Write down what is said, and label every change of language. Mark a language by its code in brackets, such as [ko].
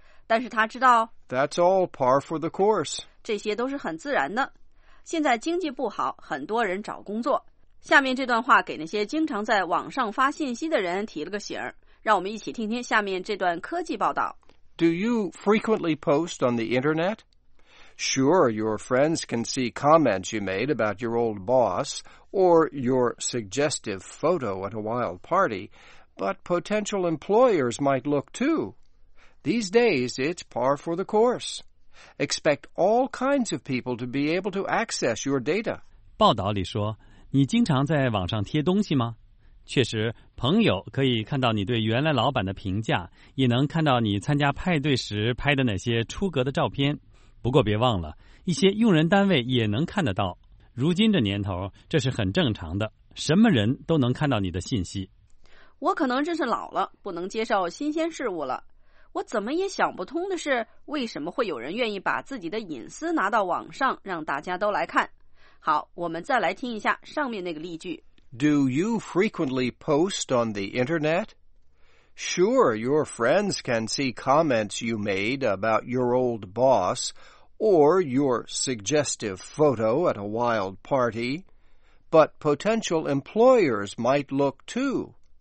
[zh] 但是他知道 [en] That's all par for the course. [zh] 这些都是很自然的。现在经济不好，很多人找工作。下面这段话给那些经常在网上发信息的人提了个醒，让我们一起听听下面这段科技报道。 [en] Do you frequently post on the internet? Sure, your friends can see comments you made about your old boss or your suggestive photo at a wild party, but potential employers might look too. These days, it's par for the course. Expect all kinds of people to be able to access your data. [zh] 报道里说，你经常在网上贴东西吗？确实，朋友可以看到你对原来老板的评价，也能看到你参加派对时拍的那些出格的照片。不过别忘了，一些用人单位也能看得到。如今这年头，这是很正常的，什么人都能看到你的信息。我可能真是老了，不能接受新鲜事物了。我怎么也想不通的是，为什么会有人愿意把自己的隐私拿到网上，让大家都来看。好，我们再来听一下上面那个例句。 [en] Do you frequently post on the internet? Sure, your friends can see comments you made about your old boss or your suggestive photo at a wild party, but potential employers might look too.